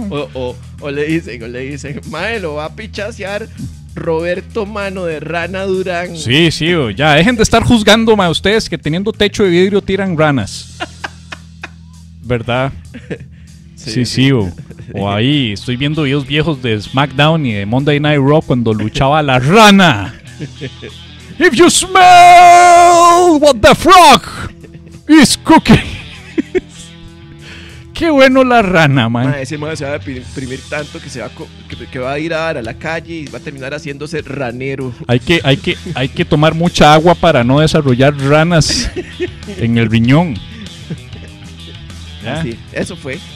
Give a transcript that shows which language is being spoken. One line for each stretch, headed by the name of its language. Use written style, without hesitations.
Spanish: O le dicen, mae, lo va a pichasear Roberto Mano de Rana Durán. Sí, ya, dejen de estar juzgando, mae, ustedes que teniendo techo de vidrio tiran ranas. ¿Verdad? Sí. O ahí, estoy viendo videos viejos de SmackDown y de Monday Night Raw cuando luchaba la rana.
English: If you smell what the frog is cooking.
Spanish: Qué bueno la rana, man. Ese man se va a deprimir tanto que va a ir a dar a la calle y va a terminar haciéndose ranero. Hay que tomar mucha agua para no desarrollar ranas en el riñón. ¿Ya? Sí, eso fue.